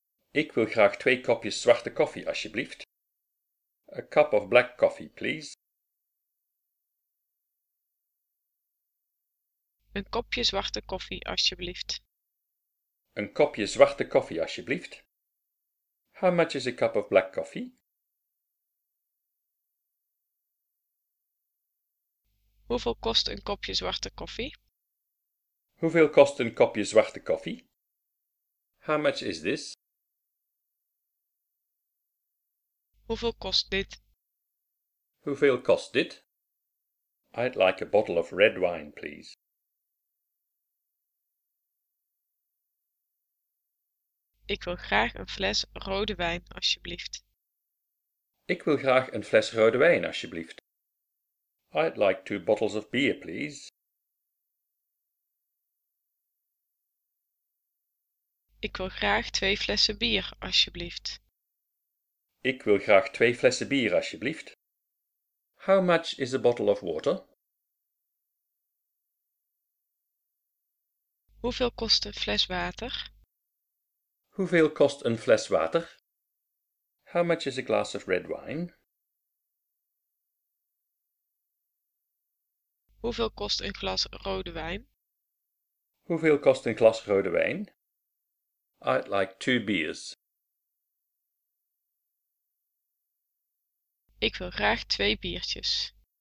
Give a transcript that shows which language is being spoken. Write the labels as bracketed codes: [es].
[nl] Ik wil graag 2 kopjes zwarte koffie, alsjeblieft. [en] A cup of black coffee, please. [nl] Een kopje zwarte koffie, alsjeblieft. Een kopje zwarte koffie, alsjeblieft. [en] How much is a cup of black coffee? [nl] Hoeveel kost een kopje zwarte koffie? Hoeveel kost een kopje zwarte koffie? [en] How much is this? [nl] Hoeveel kost dit? Hoeveel kost dit? [en] I'd like a bottle of red wine, please. [nl] Ik wil graag een fles rode wijn, alsjeblieft. Ik wil graag een fles rode wijn, alsjeblieft. [en] I'd like 2 bottles of beer, please. [nl] Ik wil graag 2 flessen bier, alsjeblieft. Ik wil graag 2 flessen bier, alsjeblieft. [en] How much is a bottle of water? [nl] Hoeveel kost een fles water? Hoeveel kost een fles water? [en] How much is a glass of red wine? [nl] Hoeveel kost een glas rode wijn? Hoeveel kost een glas rode wijn? [en] I'd like 2 beers. [nl] Ik wil graag 2 biertjes.